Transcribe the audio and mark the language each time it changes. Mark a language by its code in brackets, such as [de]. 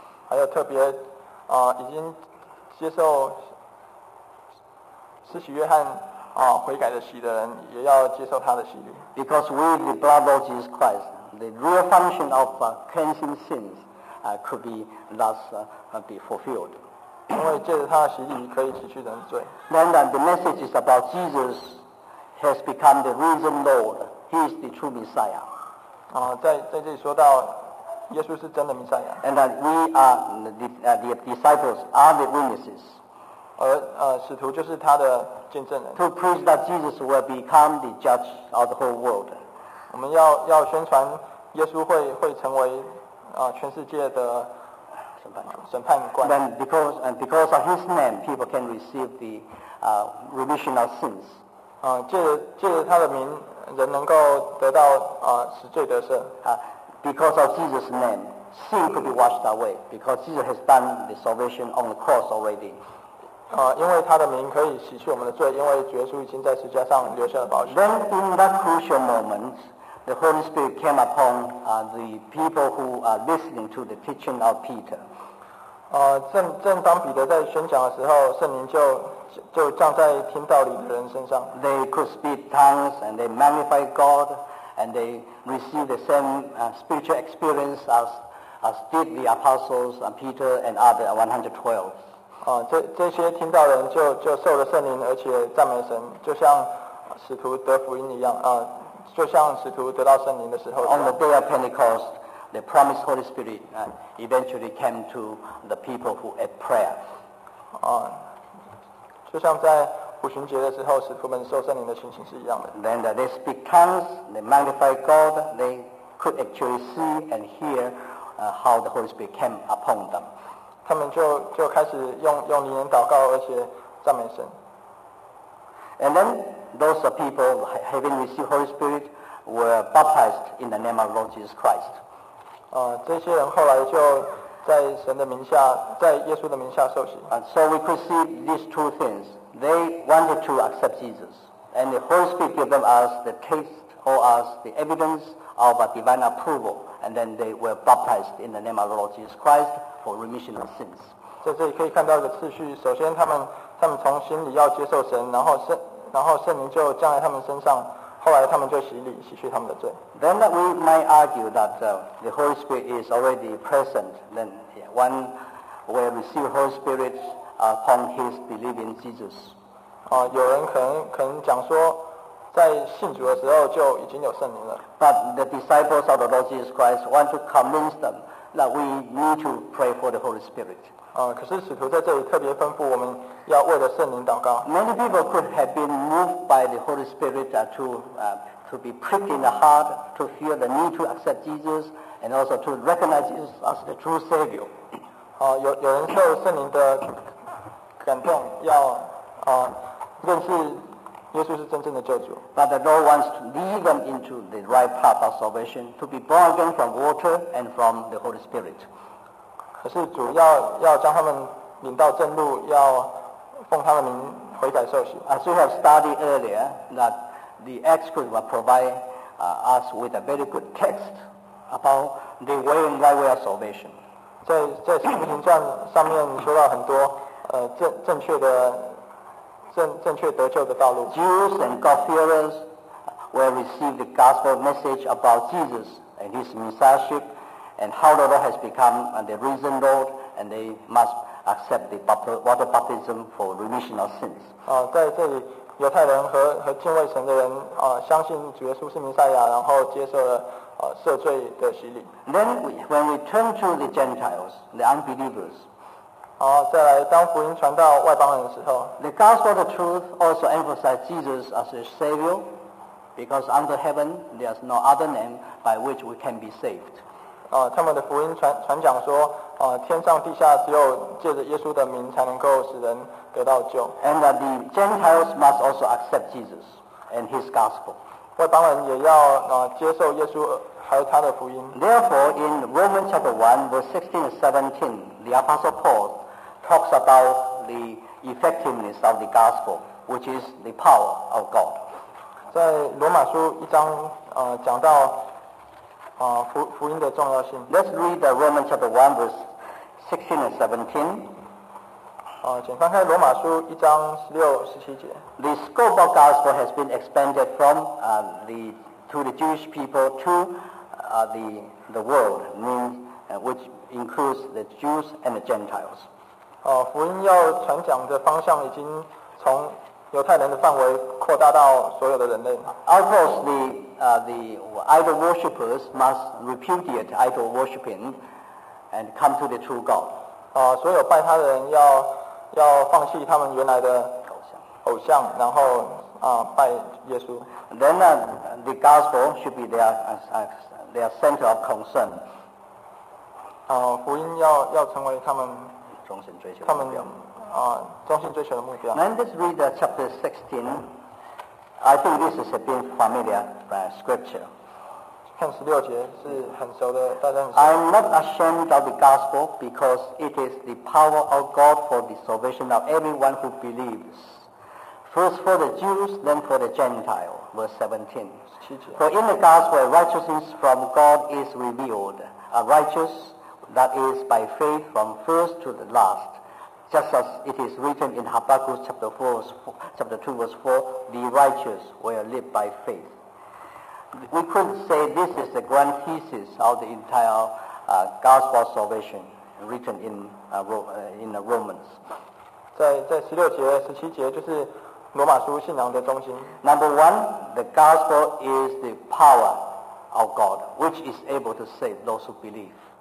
[zh] 还有特别已经接受施洗约翰悔改的洗的人也要接受他的洗礼。 [en] Because with the blood of Jesus Christ, the real function of cleansing sins could be thus be fulfilled. [zh] 因为借着他的洗礼可以洗去人罪。 [en] Then the message is about Jesus has become the risen Lord. He is the true Messiah. [zh] 在这里说到耶稣是真的弥赛亚。 [en] And that we are the disciples are the witnesses. [zh] 使徒就是他的见证人。 [en] To preach that Jesus will become the judge of the whole world. [zh] 我们要宣传耶稣会成为全世界的审判官。 [en] Because of his name, people can receive the remission of sins. [zh] 借着他的名，人能够得到使罪得赦。 [en] Because of Jesus' name, sin could be washed away. Because Jesus has done the salvation on the cross already. [zh] 因为他的名可以洗去我们的罪，因为主耶稣已经在十字架上留下了宝血。 [en] Then in that crucial moment, the Holy Spirit came upon the people who are listening to the teaching of Peter. [zh] 正当彼得在宣讲的时候，圣灵就降在听道理的人身上。 [en] They could speak tongues and they magnify God, and they receive the same spiritual experience as did the apostles and Peter and other 112. [zh] 这些听到的人就受了圣灵，而且赞美神，就像使徒得福音一样，就像使徒得到圣灵的时候。 [en] On the day of Pentecost, the promised Holy Spirit eventually came to the people who had prayer. [zh] 就像在五旬节的时候，使徒们受圣灵的情形是一样的。 [en] Then they speak tongues, they magnify God, they could actually see and hear how the Holy Spirit came upon them. [zh] 他们就开始用灵言祷告，而且赞美神。 [en] And then those people having received Holy Spirit were baptized in the name of Lord Jesus Christ. [zh] 这些人后来就在神的名下，在耶稣的名下受洗。 [en] So we could see these two things. They wanted to accept Jesus, and the Holy Spirit gave them as the taste or as the evidence of a divine approval, and then they were baptized in the name of Lord Jesus Christ. For remission of sins. [zh] 在这里可以看到一个次序。首先，他们从心里要接受神，然后圣灵就降在他们身上。后来，他们就洗礼，洗去他们的罪。 [en] Then we might argue that the Holy Spirit is already present. Then one will receive Holy Spirit upon his believing Jesus. [zh] 有人可能讲说，在信主的时候就已经有圣灵了。 [en] But the disciples of the Lord Jesus Christ want to convince them. That we need to pray for the Holy Spirit. [zh] 可是使徒在这里特别吩咐我们要为了圣灵祷告。 [en] Many people could have been moved by the Holy Spirit to to be pricked in the heart to feel the need to accept Jesus and also to recognize Jesus as the true Savior. [zh] 有人受圣灵的感动，要认识耶稣是真正的救主。 [en] But the Lord wants to lead them into the right path of salvation, to be born again from water and from the Holy Spirit. [zh] 可是主要将他们领到正路，要奉他的名悔改受洗。 [en] As we have studied earlier, that the expert will provide us with a very good text about the way and right way of salvation. [zh] 在《使徒行传》上面说到很多正确得救的道路。 [en] Jews and God-fearers will receive the gospel message about Jesus and his messiahship and how the Lord has become the risen Lord and they must accept the water baptism for remission of sins. [zh] 在这里犹太人 和敬畏神的人相信主耶稣是弥赛亚然后接受了赦罪的洗礼。 [en] Then when we turn to the Gentiles, the unbelievers, [zh] 再来当福音传到外邦人的时候 [en] the gospel of truth also emphasizes Jesus as a savior because under heaven there is no other name by which we can be saved. [zh] 他们的福音 传讲说天上地下只有借着耶稣的名才能够使人得到救。 [en] And that the Gentiles must also accept Jesus and his gospel. [zh] 外邦人也要接受耶稣还有他的福音。 [en] Therefore, in Romans chapter 1, verse 16 and 17, the Apostle Paul talks about the effectiveness of the gospel, which is the power of God. [zh] 在罗马书一章讲到福音的重要性。 [en] Let's read the Romans chapter 1, verse 16 and 17. [zh] 请翻开罗马书一章十六、十七节。 [en] The scope of gospel has been expanded from to the Jewish people to the world, which includes the Jews and the Gentiles. [zh] 福音要传讲的方向已经从犹太人的范围扩大到所有的人类。 [en] Of course, the idol worshippers must repudiate idol worshipping and come to the true God. [zh] 所有拜他的人要放弃他们原来的偶像，然后拜耶稣。 [en] Then the gospel should be their center of concern. [zh] 福音要成为他们终身追求他们终身追求的目标。 [en] Then let's read chapter 16. I think this is a bit familiar by scripture. [zh] 看十六节是很熟的，大家很熟。 [en] I'm not ashamed of the gospel because it is the power of God for the salvation of everyone who believes. First for the Jews, then for the Gentile. Verse 17. [zh] 七节。 [en] For in the gospel, righteousness from God is revealed, a righteousness that is by faith from first to the last. Just as it is written in Habakkuk chapter 2, verse 4, the righteous will live by faith. We could say this is the grand thesis of the entire gospel salvation written in the Romans. [zh] 在十六节、十七节就是罗马书信仰的中心。 [en] Number one, the gospel is the power of God, which is able to save those who believe.